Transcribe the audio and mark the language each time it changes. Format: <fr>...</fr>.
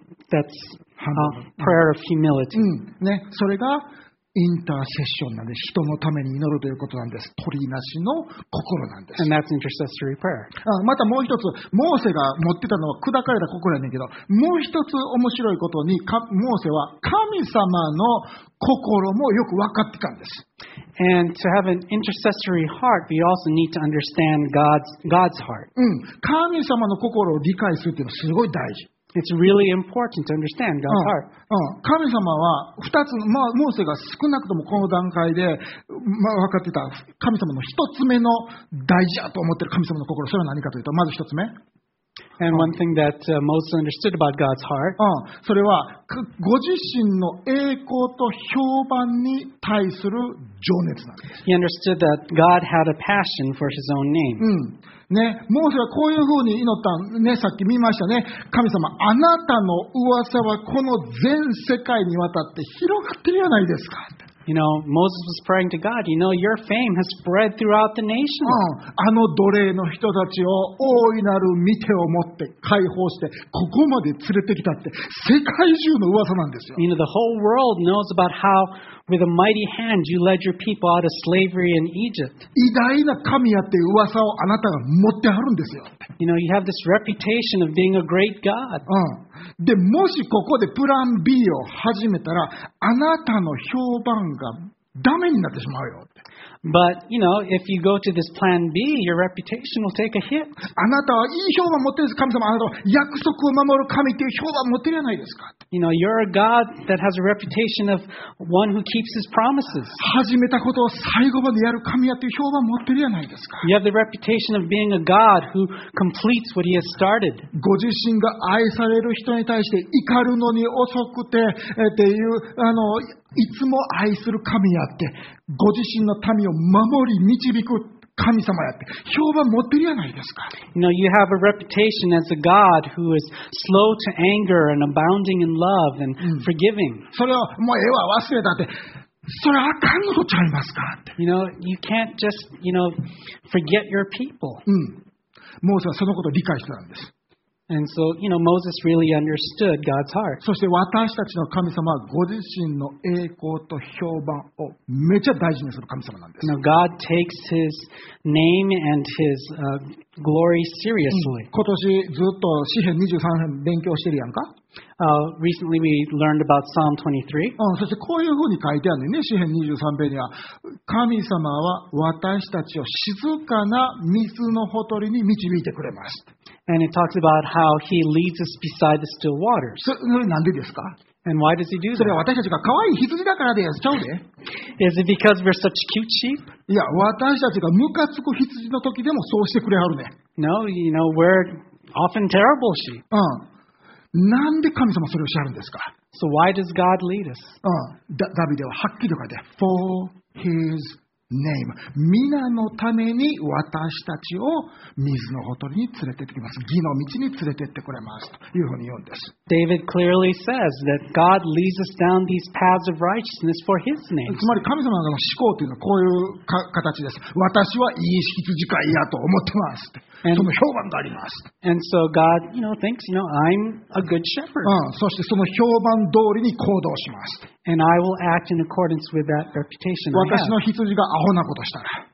<en>That's a prayer of humility.</en> <ja>ね、それがインターセッションなんです。人のために祈るということなんです。取りなしの心なんです。</ja> <en>And that's intercessory prayer.</en> <ja>またもう一つ、モーセが持ってたのは砕かれた心やねんけど、もう一つ面白いことに、モーセは神様の心もよく分かってたんです。</ja> <en>And to have an intercessory heart, we also need to understand God's heart.</en> <ja>神様の心を理解するっていうのはすごい大事。</ja> <en>It's really important to understand God's heart.</en> <ja>神様は二つ、まあ、モーセが少なくともこの段階で、まあ、分かってた神様の一つ目の大事だと思ってる神様の心、それは何かというと、まず一つ目。</ja> <en>And one thing that Moses understood about God's heart.</en> <ja>それは、ご自身の栄光と評判に対する情熱なんです。</ja> <en>He understood that God had a passion for his own name.</en> <ja>ね、モーセはこういうふうに祈ったね、さっき見ましたね。神様、あなたの噂はこの全世界にわたって広がってるじゃないですか。</ja> <en>You know, Moses was praying to God, you know, your fame has spread throughout the nation.</en> <ja>あの奴隷の人たちを大いなる御手を持って解放して、ここまで連れてきたって、世界中の噂なんですよ。</ja> <en>You know, the whole world knows about how, with a mighty hand, you led your people out of slavery in Egypt.</en> <ja>偉大な神やって噂をあなたが持ってはるんですよ。</ja> <en>You know, you have this reputation of being a great God.</en> <ja>で、もしここでプラン B を始めたら、あなたの評判がダメになってしまうよって。</ja> <en>But, you know, if you go to this plan B, your reputation will take a hit.</en> <ja>あなたはいい評判持ってるんです、神様。あなたは約束を守る神っていう評判持ってるじゃないですか。</ja> <en>You know, you're a God that has a reputation of one who keeps his promises.</en> <ja>始めたことを最後までやる神やっていう評判持ってるじゃないですか。</ja> <en>You have the reputation of being a God who completes what he has started.</en> <ja>ご自身が愛される人に対して怒るのに遅くてっていう、あの、いつも愛する神やって、ご自身の民を守り導く神様やって、評判持ってるやないですか。</ja> <en>You know, you have a reputation as a God who is slow to anger and abounding in love and forgiving.</en> <ja>それはもう絵は忘れたって、それはあかんのちゃいますかって。</ja> <en>You know, you can't just, you know, forget your people. うん。</en> <ja>モーセはそのことを理解してたんです。</ja> <en>And so, you know, Moses really understood God's heart.</en> <ja>そして私たちの神様はご自身の栄光と評判をめちゃ大事にする神様なんです。</ja> <en>Now, God takes his name and his glory seriously.</en> <ja>今年ずっと詩篇23編勉強してるやんか。</ja> <en>Recently we learned about Psalm 23.</en> <ja>そしてこういうふうに書いてあるね、詩篇23編には。神様は私たちを静かな水のほとりに導いてくれます。</ja> <en>And it talks about how he leads us beside the still waters.</en> <ja>それなんでですか?</ja> <en>And why does he do that?</en> <ja>それは私たちが可愛い羊だからです。ちゃうで。</ja> <en>Is it because we're such cute sheep?</en> <ja>いや、私たちがムカつく羊の時でもそうしてくれはるね。</ja> <en>No, you know, we're often terrible sheep. うん。</en> <ja>なんで神様それをしはるんですか?</ja> <en>So why does God lead us? うん。</en> <ja>ダビデははっきりと書いて、</ja> <en>For his name.</en> <ja>皆のために私たちを水のほとりに連れて行ってきます。義の道に連れて行ってくれます。というふうに言うんです。</ja> <en>David clearly says that God leads us down these paths of righteousness for his name.</en> <ja>つまり神様の思考というのはこういう形です。私はいい羊飼いやと思ってます。その評判があります。</ja> <en>And so God, you know, thinks, you know, I'm a good shepherd.</en> <ja>そしてその評判通りに行動します。</ja> <en>And I will act in accordance with that reputation.</en> <ja>私の羊がアホなことしたら、</ja>